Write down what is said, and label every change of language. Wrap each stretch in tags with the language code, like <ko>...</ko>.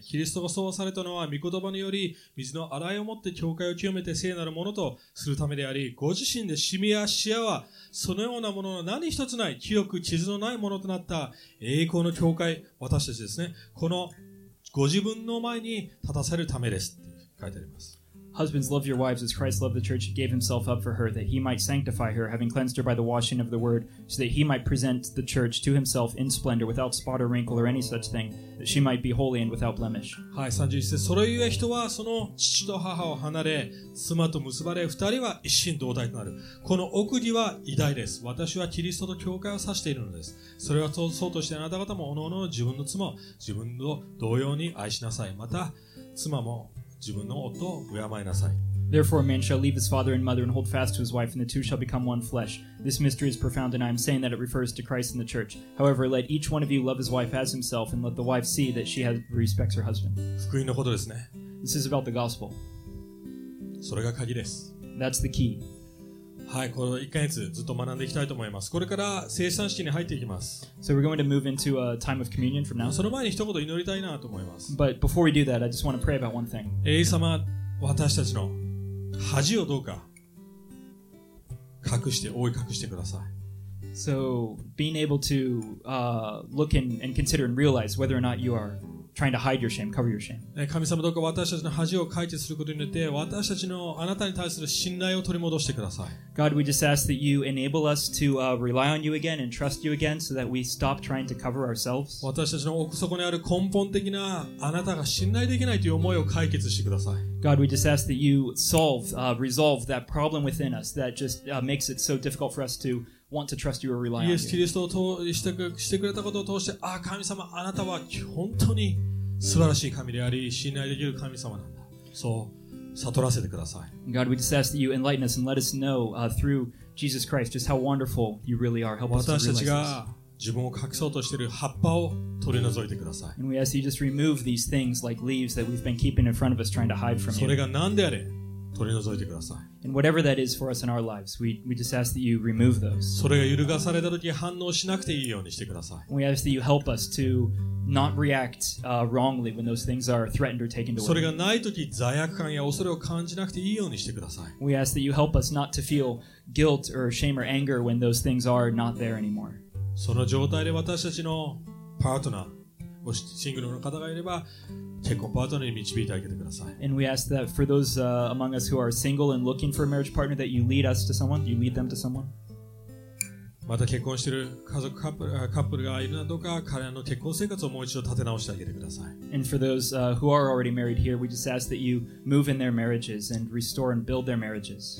<ja>キリストがそうされたのは、御言葉により、水の洗いをもって教会を清めて聖なるものとするためであり、ご自身でシミやシワは、そのようなものの何一つない、清く傷のないものとなった栄光の教会、私たちですね、このご自分の前に立たせるためですって書いてあります。</ja> <en>Husbands, love your wives as Christ loved the church and gave himself up for her, that he might sanctify her, having cleansed her by the washing of the word, so that he might present the church to himself in splendor, without spot or wrinkle or any such thing, that she might be holy and without blemish.</en> <ja>はい、31節。それゆえ人はその父と母を離れ、妻と結ばれ、二人は一心同体となる。この奥義は偉大です。私はキリストと教会を指しているのです。それはそうとしてあなた方も各々自分の妻を自分と同様に愛しなさい。また、妻も自分の夫を敬いなさい。</ja> <en>Therefore a man shall leave his father and mother and hold fast to his wife, and the two shall become one flesh. This mystery is profound, and I am saying that it refers to Christ and the church. However, let each one of you love his wife as himself, and let the wife see that she has respects her husband.</en> <ja>福音のことですね。</ja> <en>This is about the gospel.</en> <ja>それが鍵です。</ja> <en>That's the key.</en> <ja>はい、この1ヶ月ずっと学んでいきたいと思います。これから聖餐式に入っていきます。</ja> <en>So we're going to move into a time of communion from now.</en> <ja>その前に一言祈りたいなと思います。</ja> <en>But before we do that, I just want to pray about one thing.</en> <ja>英様、私たちの恥をどうか隠して、覆い隠してください。</ja> <en>So being able to look and consider and realize whether or not you are trying to hide your shame, cover your shame.</en> <ja>神様どうか私たちの恥を解決することによって私たちのあなたに対する信頼を取り戻してください。</ja> <en>God, we just ask that you enable us to rely on you again and trust you again so that we stop trying to cover ourselves.</en> <ja>私たちの奥底にある根本的なあなたが信頼できないという思いを解決してください。</ja> <en>God, we just ask that you resolve that problem within us that just makes it so difficult for us to want to trust you or rely on you.</en> <ja>イエス・キリストを通してくれたことを通して、ああ、神様、あなたは本当に素晴らしい神であり、信頼できる神様なんだ。そう悟らせてください。</ja> <en>God, we just ask that you enlighten us and let us know through Jesus Christ just how wonderful you really are. Help us to realize this.</en> <ja>私たちが自分を隠そうとしている葉っぱを取り除いてください。</ja> <en>And we ask you just remove these things like leaves that we've been keeping in front of us trying to hide from you.</en> <ja>それが何であれ、取り除いてください。</ja> <en>And whatever that is for us in our lives, we just ask that you remove those.</en> <ja>それが揺るがされた時反応しなくていいようにしてください。</ja> <en>We ask that you help us to not react wrongly when those things are threatened or taken away.</en> <ja>それがない時罪悪感や恐れを感じなくていいようにしてください。</ja> <en>We ask that you help us not to feel guilt or shame or anger when those things are not there anymore.</en> <ja>その状態で私たちのパートナー、もしシングルの方がいれば、結婚パートナーに導いてあげてください。</ja> <en>And we ask that for those among us who are single and looking for a marriage partner, that you lead us to someone, you lead them to someone.</en> <ja>また結婚している家族カップルがいるなどか、彼らの結婚生活をもう一度立て直してあげてください。</ja> <en>And for those who are already married here, we just ask that you move in their marriages and restore and build their marriages.</en>